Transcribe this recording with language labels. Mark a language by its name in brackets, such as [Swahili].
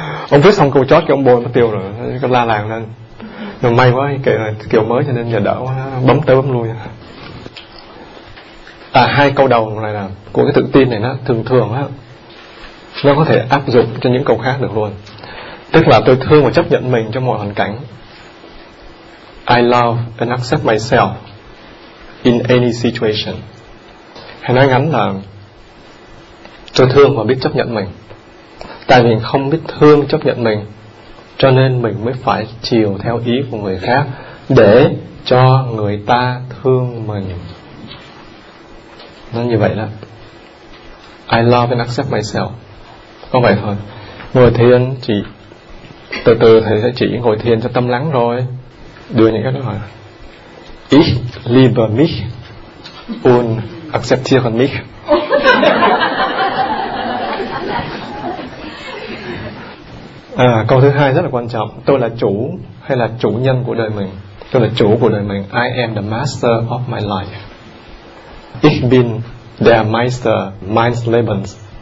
[Vietnamese] Ông viết xong câu chót kìa ông bôi mất tiêu rồi. Cứ la làng lên. Nhưng may quá, kiểu mới cho nên giờ đỡ quá. Bấm tới bấm lui. à, hai câu đầu này là của cái tự tin này, nó thường thường á, nó có thể áp dụng cho những câu khác được luôn. Tức là tôi thương và chấp nhận mình trong mọi hoàn cảnh. [English] I love and accept myself in any situation. [Vietnamese] Hay nói ngắn là tôi thương và biết chấp nhận mình. Tại vì không biết thương chấp nhận mình, cho nên mình mới phải chiều theo ý của người khác để cho người ta thương mình. Nó như vậy đó. [English] I love and accept myself. [Vietnamese] Không phải thôi. Ngồi thiền chỉ từ từ thầy sẽ chỉ ngồi thiền cho tâm lắng rồi. Đưa những cái đó rồi. [German] Ich liebe mich und akzeptiere mich. [Vietnamese] À, câu thứ hai rất là quan trọng. Tôi là chủ hay là chủ nhân của đời mình? Tôi là chủ của đời mình. [English] I am the master of my life. [German] Ich bin der Meister meines Lebens.